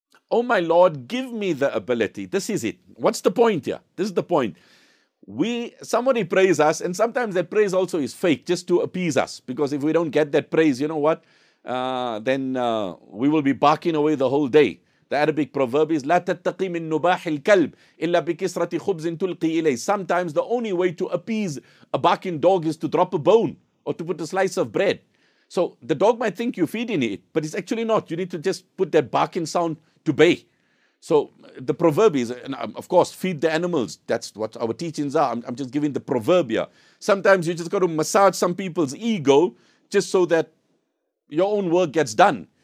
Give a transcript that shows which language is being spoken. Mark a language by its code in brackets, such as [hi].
[en] Oh my Lord, give me the ability. This is it. What's the point here? This is the point. Somebody prays us, and sometimes that praise also is fake, just to appease us. Because if we don't get that praise, you know what? then we will be barking away the whole day. The Arabic proverb is [ar] لا تتقي من نباح الكلب إلا بكسرة خبز تلقي إليه. [en] Sometimes the only way to appease a barking dog is to drop a bone or to put a slice of bread. So the dog might think you're feeding it, but it's actually not. You need to just put that barking sound to bay. So the proverb is, and of course, feed the animals. That's what our teachings are. I'm just giving the proverb here. Sometimes you just got to massage some people's ego just so that your own work gets done.